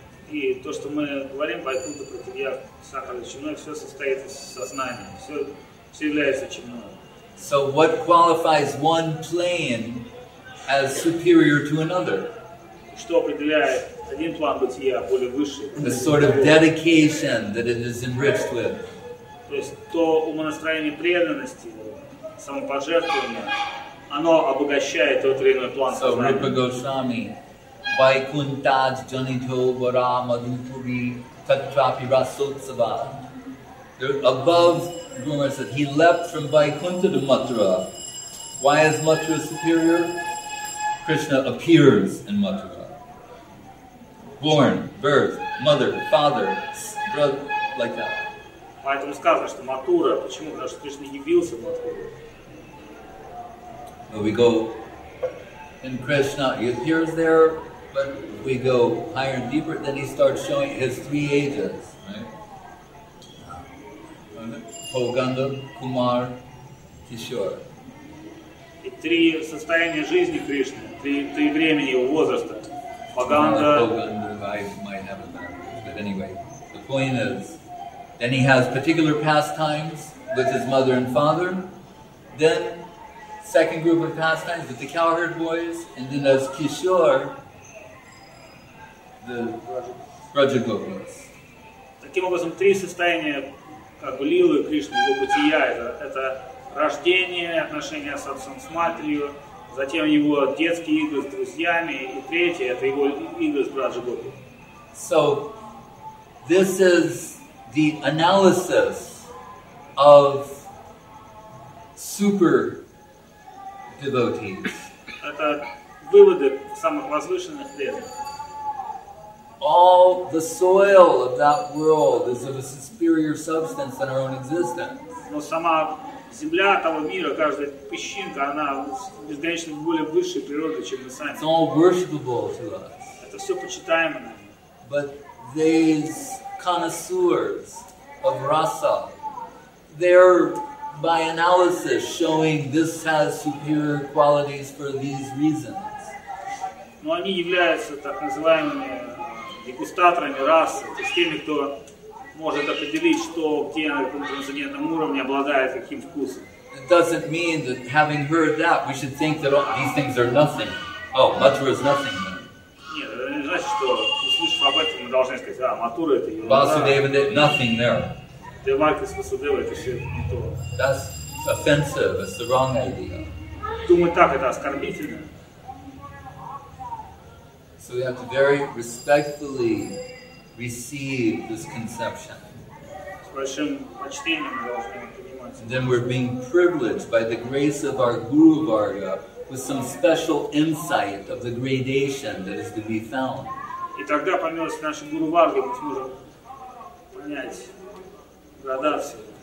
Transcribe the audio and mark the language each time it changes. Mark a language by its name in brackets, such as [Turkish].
[Russian] И то, что мы говорим, [Sanskrit] Vaikuntha Prithivari Sakala Chinmoy, [Russian] все состоит из сознания, все является Chinmoy. [English] So what qualifies one plane as superior to another? [Russian] Что определяет один план бытия более высший? [English] The sort of dedication that it is enriched with. [Russian] То есть то умонастроение преданности, самопожертвования, оно обогащает тот или иной план сознания. [English] So Rupa Goswami, [Sanskrit] Vaikuntaj Janito Vara Madhupuri Tattrapi Rasotsava. [English] Above Rumar said, he leapt from Vaikuntha to Mathura. Why is Mathura superior? Krishna appears in Mathura. Born, birth, mother, father, brother, like that. [Russian] Поэтому сказано, что Матура. Почему? Потому что Кришна явился в Матуре. [English] But we go in Krishna, he appears there, but we go higher and deeper, then he starts showing his three ages, right? [Sanskrit] Pauganda, Kumar, Kishore. [Russian] И три состояния жизни Кришны, три времени его возраста. [Sanskrit] Pauganda, [English] I might have a better, but anyway, the point is, then he has particular pastimes with his mother and father, then second group of pastimes with the cowherd boys, and then as Kishore, the Rajagopas. [Russian] Таким образом, три состояния как бы лилы Кришны, его бытия, это рождение, отношения с отцом, с матерью, затем его детские игры с друзьями, и третье, это его игры с Раджагопой. [English] So, this is the analysis of super devotees. [Russian] Это выводы самых возвышенных преданных. [English] All the soil of that world is of a superior substance than our own existence. [Russian] Но сама земля того мира, каждая песчинка, она безгранично более высшей природы, чем мы сами. [English] It's all worshipable to us. [Russian] Это все почитаемо нам. [English] But these connoisseurs of rasa, they're by analysis showing this has superior qualities for these reasons. [Russian] Но они являются так называемыми дегустаторами расы, то есть теми, кто может определить, что где на каком трансцендентном уровне обладает каким вкусом. [English] It doesn't mean that having heard that we should think that all these things are nothing. Oh, Mathura is nothing. [Russian] Нет, это не значит, что об этом мы должны сказать, да, Матура это его. Васудева, да, [English] nothing there. [Russian] Девайка с Васудева, это все не то. [English] That's offensive, it's the wrong idea. [Russian] Думать так, это оскорбительно. [English] So we have to very respectfully receive this conception. [Russian] С большим почтением мы должны понимать. [English] And then we're being privileged by the grace of our Guru Varga with some special insight of the gradation that is to be found. [Russian] И тогда, по милости нашей Гуру Варги, мы сможем понять градацию.